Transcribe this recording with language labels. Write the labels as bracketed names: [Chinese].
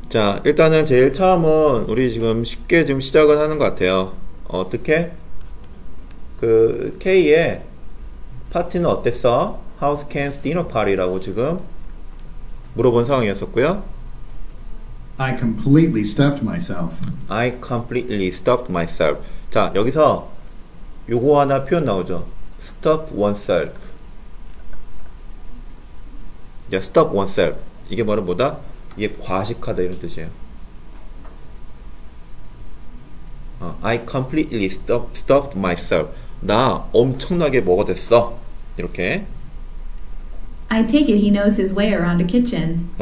[Korean] 자, 일단은 제일 처음은 우리 지금 쉽게 좀 시작을 하는 것 같아요. 어떻게? 그 K의 파티는 어땠어? [English] How's Ken's dinner party라고 [Korean] 지금 물어본 상황이었었고요. [English] I completely stuffed myself. I completely stuffed myself. [Korean] 자, 여기서 요거 하나 표현 나오죠. [English] Stuff oneself. [Korean] 자, stuff oneself. 이게 뭐라 보다? 이게 과식하다 이런 뜻이에요. [English] I completely stuffed myself. [Korean] 나 엄청나게 먹어댔어. 이렇게. [English] I take it he knows his way around the kitchen.